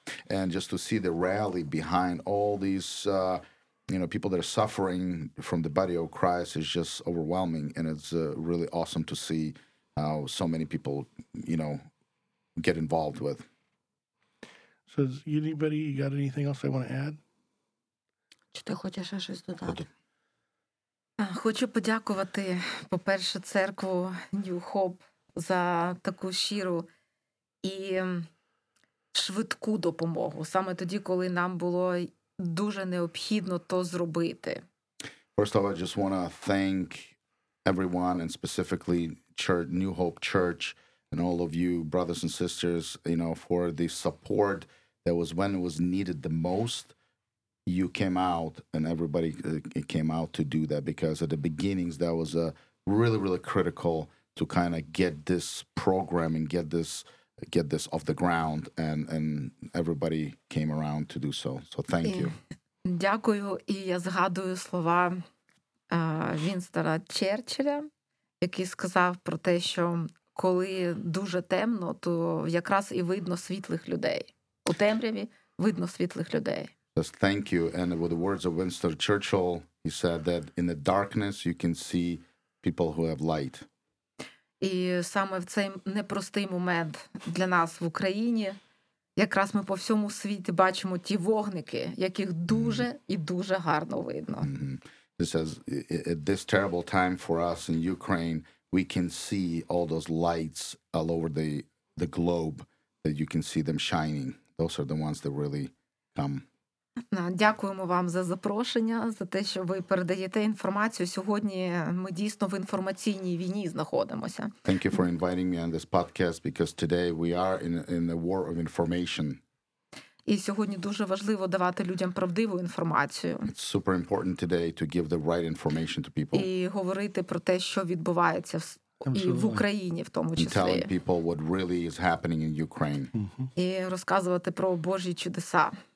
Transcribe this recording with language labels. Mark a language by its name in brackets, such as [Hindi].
[English] And just to see the rally behind all these you know, people that are suffering from the body of Christ is just overwhelming, and it's really awesome to see how so many people, you know, get involved with. So is anybody got anything else they want to add? [Ukrainian] Чи ти хочеш щось додати? Хочу подякувати, по-перше, церкву New Hope за таку щиру і швидку допомогу. Саме тоді, коли нам було дуже необхідно то зробити. [English] First of all, I just want to thank everyone, and specifically Church, New Hope Church, and all of you brothers and sisters, you know, for the support that was when it was needed the most. You came out, and everybody came out to do that, because at the beginnings, that was really, really critical to kind of get this program and get this off the ground, and everybody came around to do so. So thank you. [Ukrainian] Дякую. І я згадую слова Вінстона Черчилля, який сказав про те, що коли дуже темно, то якраз і видно світлих людей. У темряві видно світлих людей. [English] Just thank you. And with the words of Winston Churchill, He said that in the darkness you can see people who have light. [Ukrainian] І саме в цей непростий момент для нас в Україні якраз ми по всьому світі бачимо ті вогники, яких дуже і дуже гарно видно. [English] He says, at this terrible time for us in Ukraine, we can see all those lights all over the globe, that you can see them shining. Those are the ones that really come. [Ukrainian] Дякуємо вам за запрошення, за те, що ви передаєте інформацію. Сьогодні ми дійсно в інформаційній війні знаходимося. [English] Thank you for inviting me on this podcast, because today we are in a war of information. [Ukrainian] І сьогодні дуже важливо давати людям правдиву інформацію. [English] It's super important today to give the right information to people. [Ukrainian] І говорити про те, що відбувається і в Україні в тому числі. [English] And telling people what really is happening in Ukraine. [Ukrainian] І розказувати про Божі чудеса.